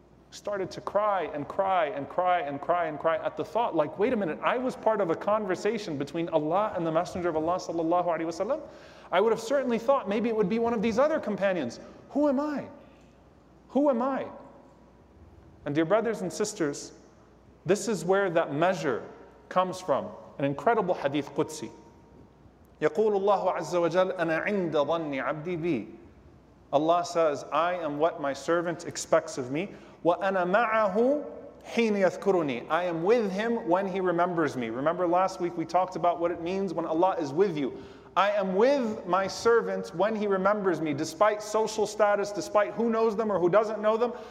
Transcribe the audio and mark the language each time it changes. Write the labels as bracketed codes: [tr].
[en] Started to cry and cry and cry and cry and cry at the thought, like, wait a minute, I was part of a conversation between Allah and the Messenger of Allah sallallahu alaihi wasallam. I would have certainly thought maybe it would be one of these other companions. Who am I? Who am I? And dear brothers and sisters, this is where that measure comes from, an incredible hadith Qudsi. [ar] يقول الله عز وجل أنا عند ظني عبدي بي. [en] Allah says, I am what my servant expects of me. [ar] وَأَنَا مَعَهُ حِينَ يَذْكُرُنِي [en] I am with him when he remembers me. Remember last week we talked about what it means when Allah is with you. I am with my servant when he remembers me, despite social status, despite who knows them or who doesn't know them.